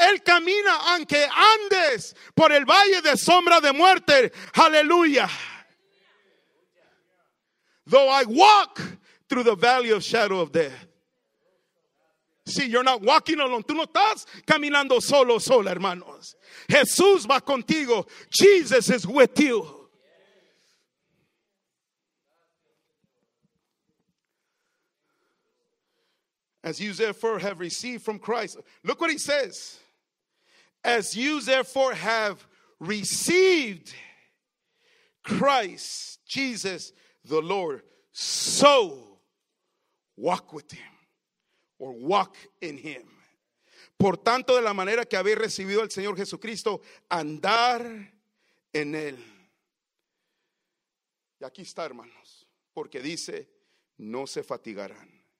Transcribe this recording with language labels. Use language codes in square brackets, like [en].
[es] Él camina aunque andes por el valle de sombra de muerte. [en] Hallelujah. Though I walk through the valley of shadow of death. See, you're not walking alone. [es] Tú no estás caminando solo, solo, hermanos. [en] Jesús va contigo. Jesus is with you. As you therefore have received from Christ. Look what he says. As you therefore have received Christ, Jesus the Lord, so walk with him. Or walk in him. [es] Por tanto, de la manera que habéis recibido al Señor Jesucristo, andar en él. Y aquí está, hermanos, porque dice, no se fatigarán.